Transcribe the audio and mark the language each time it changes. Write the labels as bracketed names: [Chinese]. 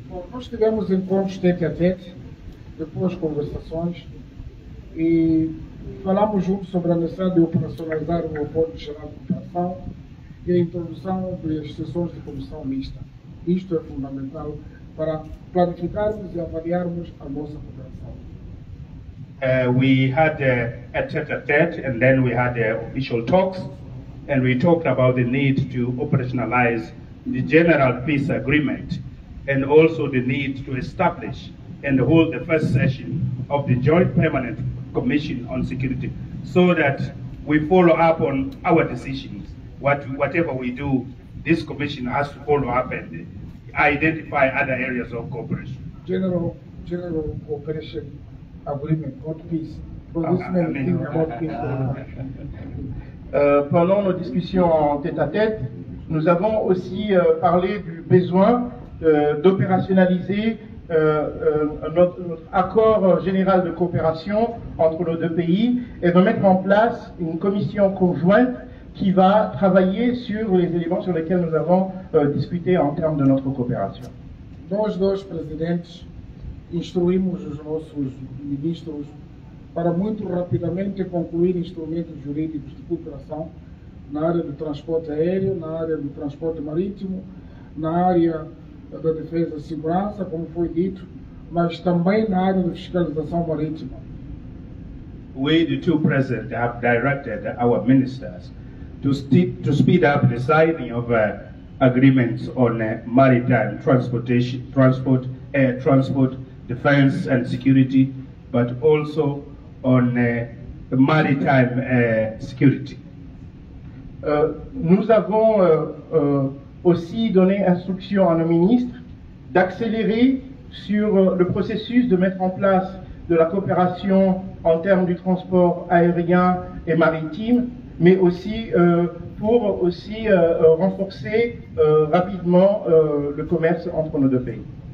[Portuguese] Bom, nós tivemos encontros tete a tete, depois conversações, e falamos juntos sobre a necessidade de operacionalizar o aeroporto de geral de cooperação e a introdução das sessões de comissão mista. Isto é fundamental para planificarmos e avaliarmos a nossa cooperação. [English] We had a tete-a-tete, and then we had official talks, and we talked about the need to operationalize the General Peace Agreement, and also the need to establish and hold the first session of the Joint Permanent Commission on Security, so that we follow up on our decisions. Whatever we do, this commission has to follow up and identify other areas of cooperation. General Cooperation Agreement, God peace. God peace. [French] Pendant nos discussions en tête-à-tête, nous avons aussi parlé du besoin d'opérationnaliser notre accord général de coopération entre nos deux pays et de mettre en place une commission conjointe qui va travailler sur les éléments sur lesquels nous avons discuté en termes de notre coopération. [Portuguese] Nós dois presidentes instruímos os nossos ministros para muito rapidamente concluir instrumentos jurídicos de cooperação na área do transporte aéreo, na área do transporte marítimo, na área da defesa e segurança, como foi dito, mas também na área de fiscalização marítima. [English] We, the two presidents, have directed our ministers to speed up the signing of agreements on maritime transport, defense and security, but also on maritime security. [French] Nous avons aussi donné instruction à nos ministres d'accélérer sur le processus de mettre en place de la coopération en termes du transport aérien et maritime, mais aussi pour aussi renforcer rapidement le commerce entre nos deux pays.